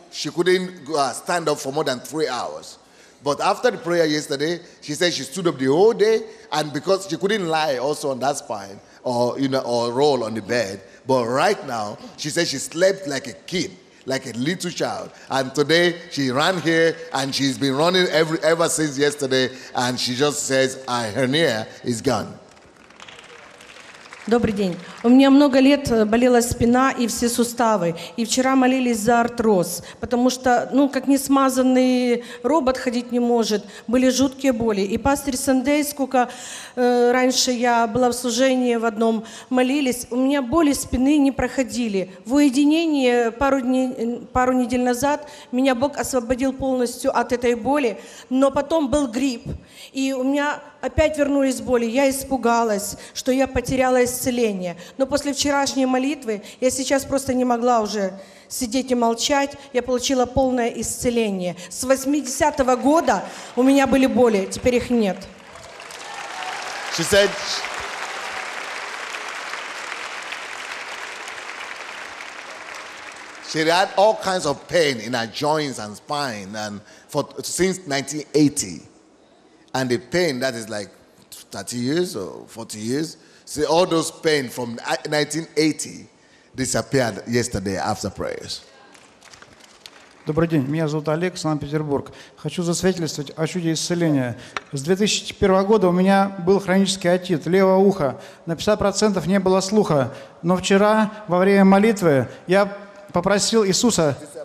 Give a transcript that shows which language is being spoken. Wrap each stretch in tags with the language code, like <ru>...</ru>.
<en>She couldn't stand up for more than 3 hours. But after the prayer yesterday, she said she stood up the whole day, and because she couldn't lie also on that spine or, you know, or roll on the bed. But right now, she said she slept like a kid, like a little child. And today she ran here, and she's been running ever since yesterday, and she just says her hernia is gone.</en> <ru>Добрый день. У меня много лет болела спина и все суставы. И вчера молились за артроз, потому что, ну, как несмазанный робот ходить не может. Были жуткие боли. И пастор Сандей, сколько раньше я была в служении в одном, молились. У меня боли спины не проходили. В уединении пару недель назад меня Бог освободил полностью от этой боли. Но потом был грипп. И у меня опять вернулись боли. Я испугалась, что я потеряла исцеление. Но после вчерашней молитвы я сейчас просто не могла уже сидеть и молчать. Я получила полное исцеление. С 80-го года у меня были боли, теперь их нет.</ru> <en>She said, she had all kinds of pain in her joints and spine and for since 1980. And the pain that is like 30 years or 40 years, see, all those pain from 1980 disappeared yesterday after prayers.</en> <ru>Добрый день, меня зовут Олег, Санкт-Петербург. Хочу засвидетельствовать о чуде исцеления. С 2001 года у меня был хронический отит левого уха. На 50% не было слуха. Но вчера во время молитвы я попросил Иисуса...</ru>